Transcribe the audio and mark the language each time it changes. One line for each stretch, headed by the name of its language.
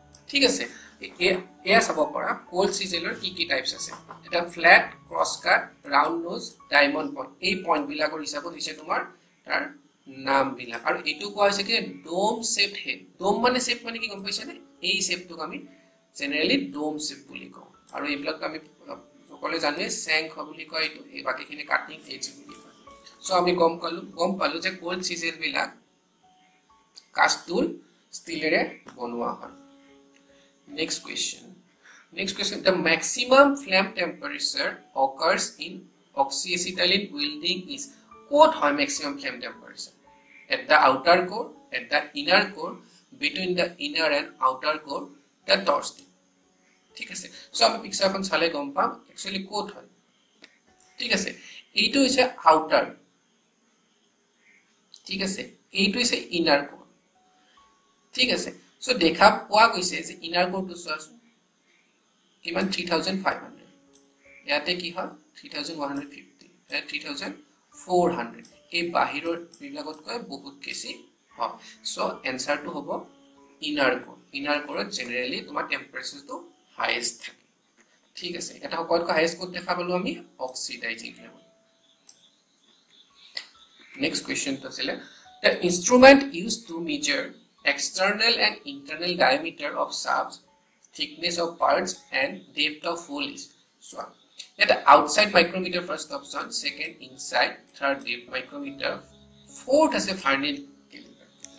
Assamese: ঠিক আছে, এয়া চাব পৰা কোল্ড চিজেলৰ কি কি টাইপছ আছে, এটা ফ্লেট, ক্ৰছ কাট, ৰাউণ্ড নোজ, ডায়মণ্ড পইণ্ট, এই পইণ্টবিলাকৰ হিচাপত হৈছে তোমাৰ তাৰ নামবিলাক। আৰু এইটো কোৱা হৈছে কি, ড'ম শ্বেপড হেড। ড'ম মানে শ্বেপ মানে কি গম পাইছানে, এই শ্বেপটোক আমি জেনেৰেলি ড'ম শ্বেপ বুলি কওঁ। আৰু এইবিলাক আমি সকলোৱে জানোৱে চেংক বুলি কয়, এইটো এই বাকীখিনি কাটিং এজ বুলি কয়। চ' আমি গম পালোঁ যে কোল্ড চিজেলবিলাক কাষ্টুল ষ্টীলেৰে বনোৱা হয়।
English: next question, next question, the maximum flame temperature occurs in oxyacetylene welding is,
Assamese: ক'ত হয়
English: Maximum flame temperature, at the outer core, at the inner core, between the inner and outer core, the torch tip.
Assamese: ঠিক আছে, চ' আমি পিকচাৰখন চালে গম পাম একচুৱেলি ক'ত হয়। ঠিক আছে, এইটো হৈছে আউটাৰ, ঠিক আছে, এইটো হৈছে ইনাৰ ক'ৰ। ঠিক আছে, চ' দেখা পোৱা গৈছে যে ইনাৰ ক'ৰটো চোৱাচোন কিমান, 3500, ইয়াতে কি হয় 3150, 3400, এই বাহিৰৰ বিলাকতকৈ বহুত বেছি হয়। চ' এনচাৰটো হ'ব ইনাৰ ক'ৰ, ইনাৰ ক'ৰত জেনেৰেলি তোমাৰ টেম্পাৰেচাৰটো হায়েষ্ট থাকে। ঠিক আছে, এটা সকলোতকৈ হায়েষ্ট ক'ত দেখা পালোঁ আমি, অক্সিডাইজিং ফ্লেম।
English: next কুৱেশ্যনটো আছিলে the instrument use to measure external and internal diameter of shafts, thickness of parts and depth of hole is,
Assamese: চোৱা এটা
English: Outside micrometer first option, second inside, third depth micrometer, fourth আছে vernier caliper.